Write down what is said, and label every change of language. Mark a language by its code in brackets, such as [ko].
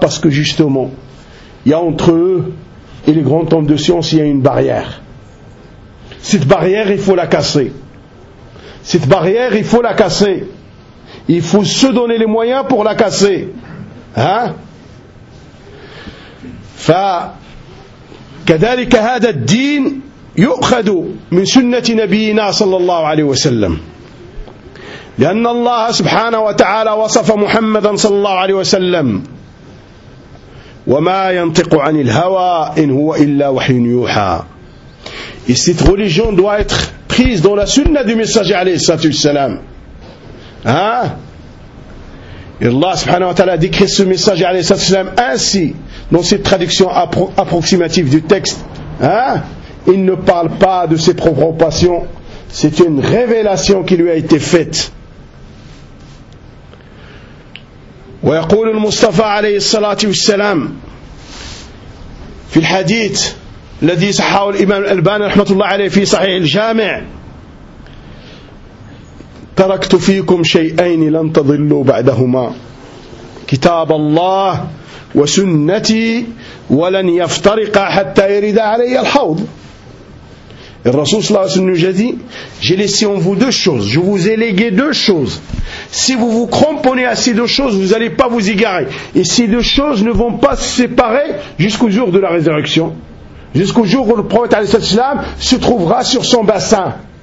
[fr] Parce que justement, il y a entre eux et les grands hommes de science, il y a une barrière. Cette barrière, il faut la casser. Cette barrière, il faut la casser. Il faut se donner les moyens pour la casser. Hein? [ar] Fa kadhalika hada ad-din يؤخذ من سنة نبينا صلى الله عليه وسلم لأن الله سبحانه وتعالى وصف محمدا صلى الله عليه وسلم وما ينطق عن الهوى إن هو إلا وحي يوحى. [fr] Et cette religion doit être prise dans la sunna du messager عليه الصلاة والسلام. Hein? Et Allah سبحانه وتعالى décrit ce messager عليه الصلاة والسلام ainsi dans cette traduction approximative du texte, hein, il ne parle pas de ses propres passions, c'est une révélation qui lui a été faite. ويقول المصطفى عليه الصلاة والسلام في الحديث الذي صححه الإمام الألباني رحمة الله عليه في صحيح الجامع: تركت فيكم شيئين لن تضلوا بعدهما، كتاب الله وسنتي، ولن يفترق حتى يرد علي الحوض. [ar] الرسول صلى الله عليه وسلم جدي: [fr] j'ai laissé en vous deux choses, je vous ai légué deux choses. Si vous vous cramponnez à ces deux choses, vous n'allez pas vous égarer. Et ces deux choses ne vont pas se séparer jusqu'au jour de la résurrection. Jusqu'au jour où le prophète alayhi salam se trouvera sur son bassin.